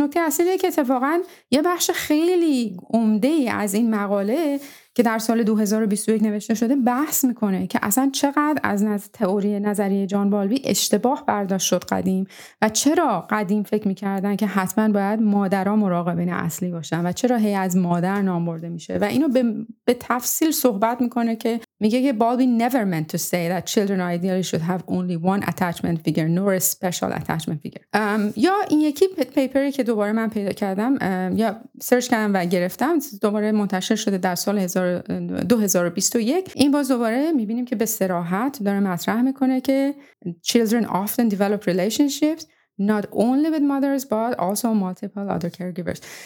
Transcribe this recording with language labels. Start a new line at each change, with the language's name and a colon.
Persian: نکته اصلیه که اتفاقا یه بخش خیلی عمده از این مقاله که در سال 2021 نوشته شده بحث میکنه که اصلا چقدر از تئوری نظریه جان بالبی اشتباه برداشت شد قدیم و چرا قدیم فکر میکردن که حتما باید مادرها مراقبین اصلی باشن و چرا هی از مادر نام برده میشه. و اینو به تفصیل صحبت میکنه که میگه که بالبی
English: never meant to say that children ideally should have only one attachment figure nor a special attachment figure.
Persian: یا این یکی پیپری که دوباره من پیدا کردم یا سرچ کردم و گرفتم، دوباره منتشر شده در سال 2021، این باز دوباره میبینیم که به صراحت داره مطرح میکنه که
English: children often develop relationships not only with mothers but also multiple other caregivers.